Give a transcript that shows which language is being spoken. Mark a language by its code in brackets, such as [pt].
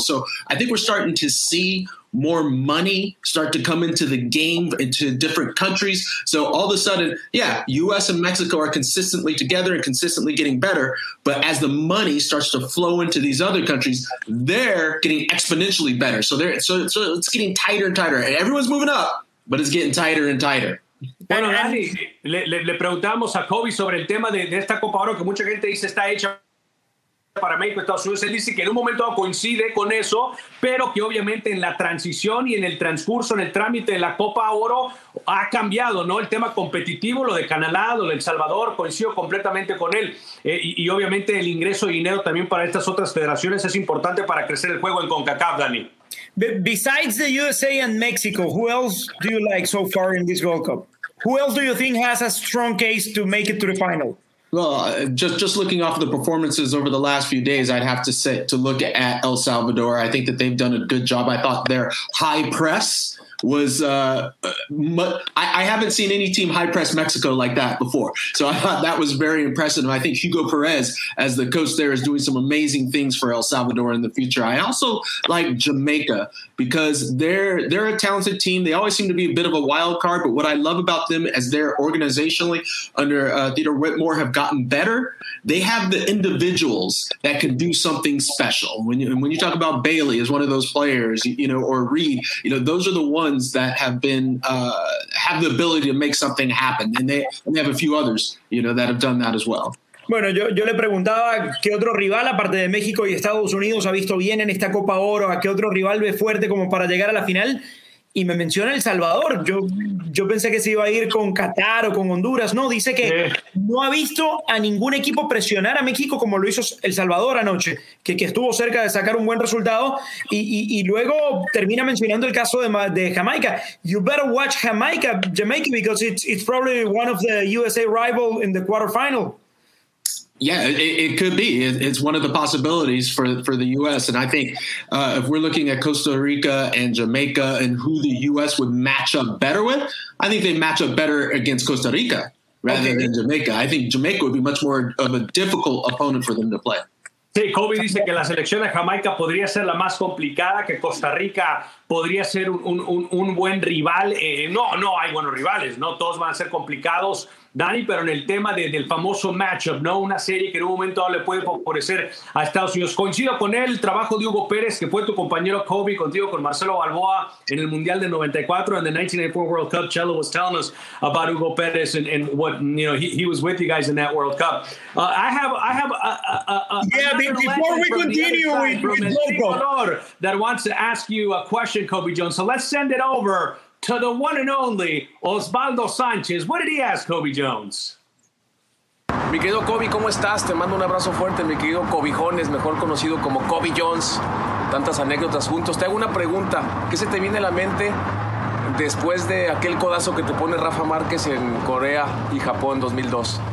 [en] So I think we're starting to see more money start to come into the game, into different countries. So all of a sudden, yeah, U.S. and Mexico are consistently together and consistently getting better. But as the money starts to flow into these other countries, they're getting exponentially better. So it's getting tighter and tighter. And everyone's moving up, but it's getting tighter and tighter. [es] Bueno, Dani, le preguntamos a Kobe sobre el tema de esta Copa Oro que mucha gente dice está hecha para México, Estados Unidos. Él dice que en un momento coincide con eso, pero que obviamente en la transición y en el transcurso, en el trámite de la Copa Oro, ha cambiado, ¿no? El tema competitivo, lo de Canadá, lo de El Salvador, coincido completamente con él. Y obviamente el ingreso de dinero también para estas otras federaciones es importante para crecer el juego en CONCACAF, Dani. [en] Besides the USA and Mexico, who else do you like so far in this World Cup? Who else do you think has a strong case to make it to the final? Well, just looking off of the performances over the last few days, I'd have to say to look at El Salvador. I think that they've done a good job. I thought their high press was I haven't seen any team high press Mexico like that before. So I thought that was very impressive. And I think Hugo Perez as the coach there is doing some amazing things for El Salvador in the future. I also like Jamaica because they're a talented team. They always seem to be a bit of a wild card. But what I love about them is they're organizationally under Theodore Whitmore have gotten better. They have the individuals that can do something special. When you talk about Bailey as one of those players, you know, or Reed, you know, those are the ones that have been have the ability to make something happen. And they have a few others, you know, that have done that as well. [es] Bueno, yo le preguntaba qué otro rival, aparte de México y Estados Unidos, ha visto bien en esta Copa Oro, a qué otro rival ve fuerte como para llegar a la final. Y me menciona El Salvador. Yo pensé que se iba a ir con Qatar o con Honduras. No, dice que no ha visto a ningún equipo presionar a México como lo hizo El Salvador anoche, que estuvo cerca de sacar un buen resultado. Y luego termina mencionando el caso de Jamaica. [en] You better watch Jamaica, because it's probably one of the USA rival in the quarterfinal. Yeah, it could be. It's one of the possibilities for the U.S. And I think if we're looking at Costa Rica and Jamaica and who the U.S. would match up better with, I think they match up better against Costa Rica rather than Jamaica. I think Jamaica would be much more of a difficult opponent for them to play. [es] Sí, Kobe dice que la selección de Jamaica podría ser la más complicada, que Costa Rica podría ser un buen rival. No hay buenos rivales, ¿no? Todos van a ser complicados. Dani, pero en el tema del famoso matchup, ¿no? Una serie que en un momento le puede favorecer a Estados Unidos. Coincido con él, el trabajo de Hugo Pérez, que fue tu compañero Kobe contigo con Marcelo Balboa en el Mundial de 94 and the 1994 World Cup. [en] Chelo was telling us about Hugo Pérez and what, you know, he was with you guys in that World Cup. Before we continue with Loco, that wants to ask you a question, Kobe Jones. So let's send it over to the one and only Osvaldo Sánchez. What did he ask, Kobe Jones? [es] Mi querido Kobe, ¿cómo estás? Te mando un abrazo fuerte, mi querido Kobe Jones, mejor conocido como Kobe Jones. Tantas anécdotas juntos. Te hago una pregunta. ¿Qué se te viene a la mente después de aquel codazo que te pone Rafa Márquez en Corea y Japón 2002?